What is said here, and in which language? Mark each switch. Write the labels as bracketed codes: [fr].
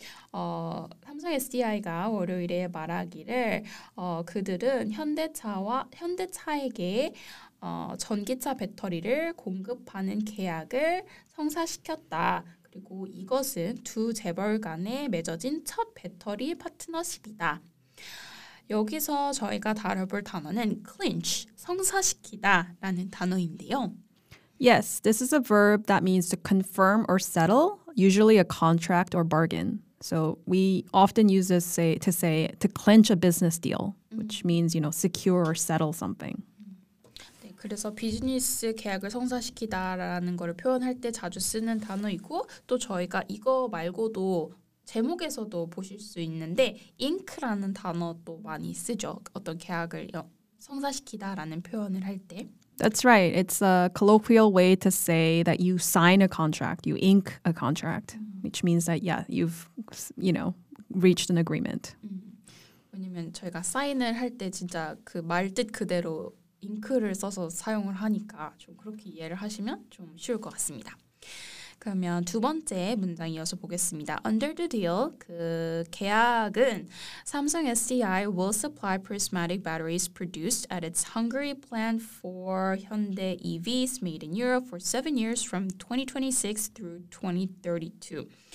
[ko] 삼성 SDI가 월요일에 말하기를 그들은 현대차에게 전기차 배터리를 공급하는 계약을 성사시켰다. 그리고 이것은 두 재벌 간에 맺어진 첫 배터리 파트너십이다. 여기서 저희가 다뤄볼 단어는 clinch, 성사시키다 라는 단어인데요. [en] Yes, this is a verb that means to confirm or settle, usually a contract or bargain. So we often use this to clinch a business deal, which means, you know, secure or settle something. [ko] 그래서 비즈니스 계약을 성사시키다라는 것을 표현할 때 자주 쓰는 단어이고 또 저희가 이거 말고도 제목에서도 보실 수 있는데 ink라는 단어도 많이 쓰죠. 어떤 계약을 성사시키다라는 표현을 할 때. [en] That's right. It's a colloquial way to say that you sign a contract, you ink a contract, which means that, yeah, you've, you know, reached an agreement. [ko] 왜냐면 저희가 사인을 할 때 진짜 그 말 뜻 그대로 잉크를 써서 사용을 하니까 좀 그렇게 이해를 하시면 좀 쉬울 것 같습니다. 그러면 두 번째 문장이어서 보겠습니다. [en] Under the deal, [ko] 그 계약은 [en] 삼성 SDI will supply prismatic batteries produced at its Hungary plant for Hyundai EVs made in Europe for 7 years from 2026 through 2032.